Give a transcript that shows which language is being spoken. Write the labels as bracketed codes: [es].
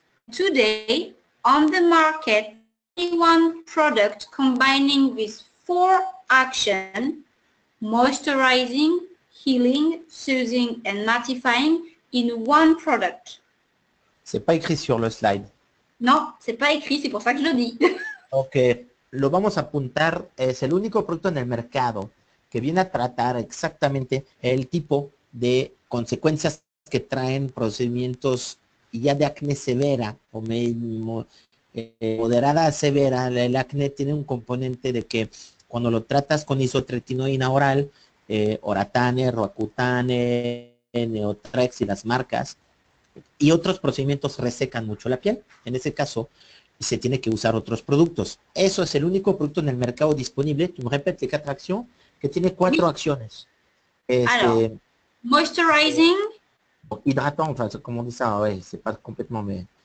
[en] Today, on the market, one product combining these four actions, moisturizing, healing, soothing, and mattifying, in one product. [fr] C'est pas écrit sur le slide. Non, c'est pas écrit, c'est pour ça que je le dis. [es] Ok, lo vamos a apuntar, es el único producto en el mercado que viene a tratar exactamente el tipo de consecuencias que traen procedimientos ya de acné severa o moderada a severa. El acné tiene un componente de que cuando lo tratas con isotretinoína oral, Oratane, Roacutane, Neotrex y las marcas, y otros procedimientos resecan mucho la piel. En ese caso, se tiene que usar otros productos. Eso es el único producto en el mercado disponible, tu repete, que atracción, que tiene cuatro acciones. [fr] Alors, moisturizing. Hydratant, enfin, c'est comment on dit ça, ouais, c'est pas complètement, mais...